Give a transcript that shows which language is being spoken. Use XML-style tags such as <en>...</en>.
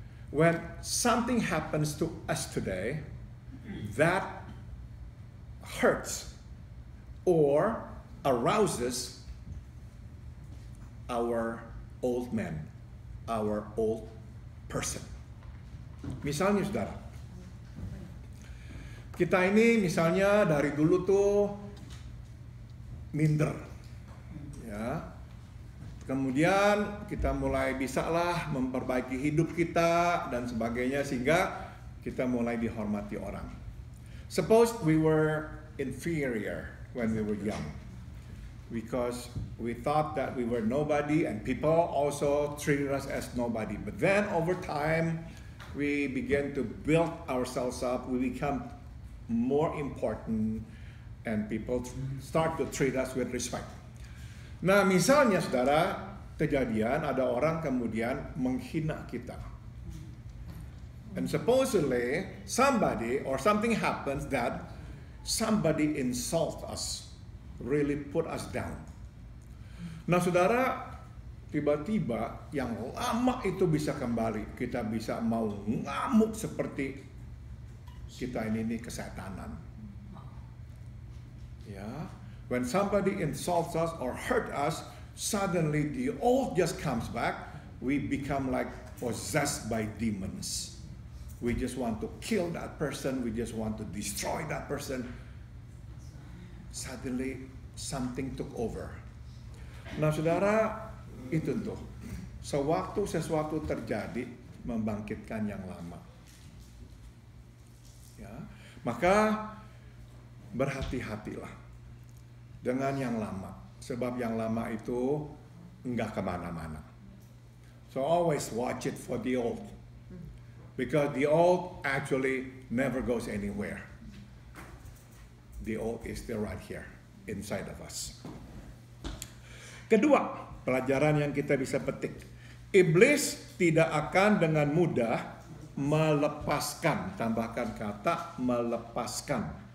<en>When something happens to us today that hurts or arouses our old man, our old person.</en> <id>Misalnya saudara, kita ini misalnya dari dulu tuh minder, ya. Kemudian kita mulai bisalah memperbaiki hidup kita dan sebagainya sehingga kita mulai dihormati orang.</id> <en>Suppose we were inferior when we were young, because we thought that we were nobody and people also treated us as nobody. But then over time, we began to build ourselves up, we become more important, and people start to treat us with respect.</en> <id>Nah, misalnya saudara, kejadian ada orang kemudian menghina kita.</id> <en>And supposedly, somebody or something happens that somebody insults us, really put us down.</en> <id>Nah saudara, tiba-tiba yang lama itu bisa kembali. Kita bisa mau ngamuk seperti kita ini kesetanan.</id> <en>Ya, when somebody insults us or hurt us, suddenly the old just comes back. We become like possessed by demons. We just want to kill that person. We just want to destroy that person. Suddenly something took over.</en> <id>Nah, saudara, itu tuh. Sewaktu sesuatu terjadi, membangkitkan yang lama. Ya, maka berhati-hatilah dengan yang lama, sebab yang lama itu enggak kemana-mana.</id> <en>So always watch it for the old, because the old actually never goes anywhere. The old is still right here inside of us.</en> <id>Kedua, pelajaran yang kita bisa petik, iblis tidak akan dengan mudah melepaskan, tambahkan kata melepaskan.</id>